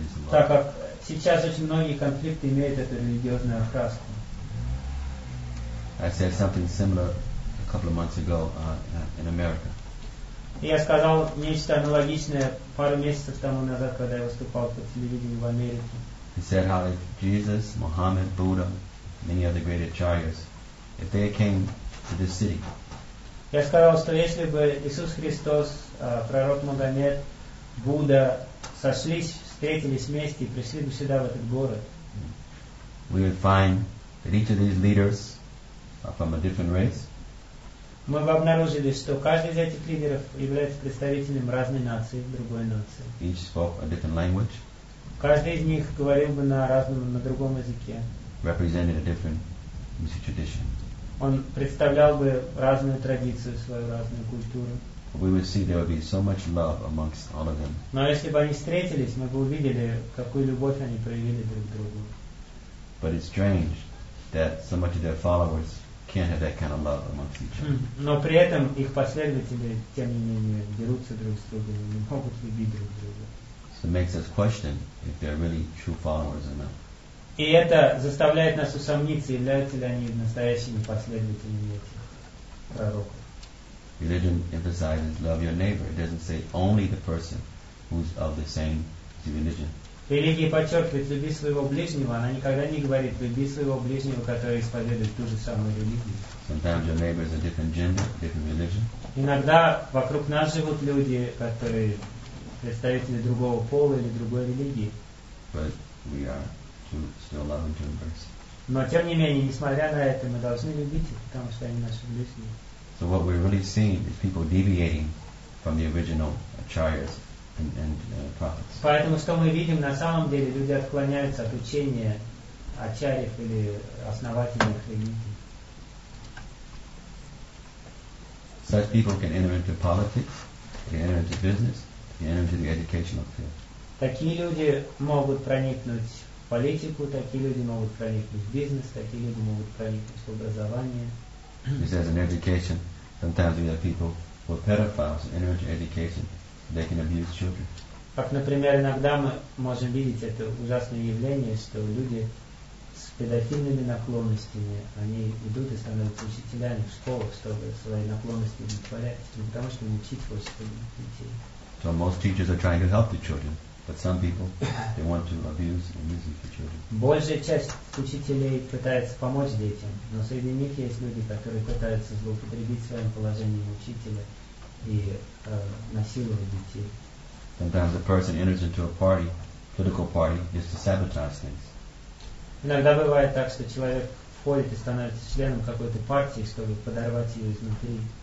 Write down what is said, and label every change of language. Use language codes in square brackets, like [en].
[ru] Так как сейчас очень многие конфликты имеют эту религиозную окраску. [en] I said something similar a couple of months ago in America. [ru] Я сказал нечто аналогичное пару месяцев тому назад, когда я выступал по телевидению в Америке. [en] He said how if Jesus, Muhammad, Buddha, many other great acharyas, if they came to this city. [ru] Я сказал, что если бы Иисус Христос, пророк Магомед, Будда сошлись, встретились вместе и пришли бы сюда, в этот город. [en] We would find that each of these leaders are from a different race. [ru] Мы бы обнаружили, что каждый из этих лидеров является представителем разной нации, другой нации. [en] Each spoke a different language. [ru] Каждый из них говорил бы на другом языке. [en] Represented a different music tradition. [ru] Он представлял бы разную традицию, свою разную культуру. [en] We would see there would be so much love amongst all of them. [ru] Но если бы они встретились, мы бы увидели, какую любовь они проявили друг к другу. [en] But it's strange that so much of their followers can't have that kind of love amongst each other. [ru] Но при этом их последователи, тем не менее, дерутся друг с другом, не могут любить друг друга. [en] So it makes us question if they're really true followers or not. [ru] И это заставляет нас усомниться, являются ли они настоящими последователями этих пророков. [en] Religion emphasizes love your neighbor. It doesn't say only the person who's of the same religion. [ru] Религия подчеркивает любить своего ближнего. Она никогда не говорит любить своего ближнего, который исповедует ту же самую религию. [en] Sometimes your neighbor is a different gender, different religion. [ru] Иногда вокруг нас живут люди, которые представители другого пола или другой религии. [en] But we are still loving to embrace. [ru] Но тем не менее, несмотря на это, мы должны любить их, потому что они наши ближние. [en] So what we're really seeing is people deviating from the original acharyas and prophets. [ru] Поэтому что мы видим на самом деле, люди отклоняются от учения ачарьев или основателей религии. [en] Such people can enter into politics, they enter into business, they enter into the educational field. [ru] Такие люди могут проникнуть в политику, такие люди могут проникнуть в бизнес, такие люди могут проникнуть в образование. [en] This is an education. Sometimes we have people who are pedophiles in enter into education. They can abuse children. [ru] Как, например, иногда мы можем видеть это ужасное явление, что люди с педофильными наклонностями, они идут и становятся учителями в школах, чтобы свои наклонности удовлетворять, не потому что учить хочется детей. [en] So most teachers are trying to help the children. But some people, they want to abuse and use the children. [ru] Большая часть учителей пытается помочь детям, но среди них есть люди, которые пытаются злоупотребить своим положением учителя и насиловать детей. [en] Sometimes a person enters into a party, political party, just to sabotage things. [ru] Иногда бывает так, что человек входит и становится членом какой-то партии, чтобы подорвать ее изнутри.